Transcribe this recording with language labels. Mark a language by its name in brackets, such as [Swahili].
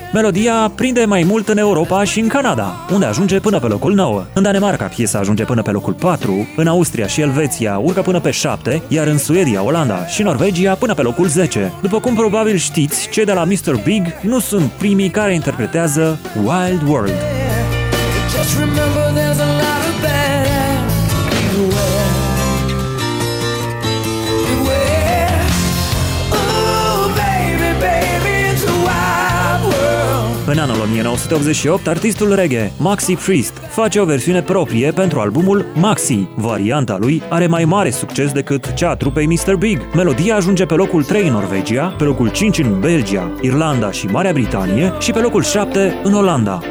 [Romanian] Melodia prinde mai mult în Europa și în Canada, unde ajunge până pe locul 9. În Danemarca, piesa ajunge până pe locul 4, în Austria și Elveția urcă până pe 7, iar în Suedia, Olanda și Norvegia până pe locul 10. După cum probabil știți, cei de la Mr. Big nu sunt primii care interpretează Wild World. [English] Just remember there's a lot of bad ass. Beware, beware. Ooh, baby, baby, it's a wild world. [Romanian] În anul 1988, artistul reggae Maxi Priest face o versiune proprie pentru albumul Maxi. Varianta lui are mai mare succes decât cea a trupei Mr. Big. Melodia ajunge pe locul 3 în Norvegia, pe locul 5 în Belgia, Irlanda și Marea Britanie și pe locul 7 în Olanda.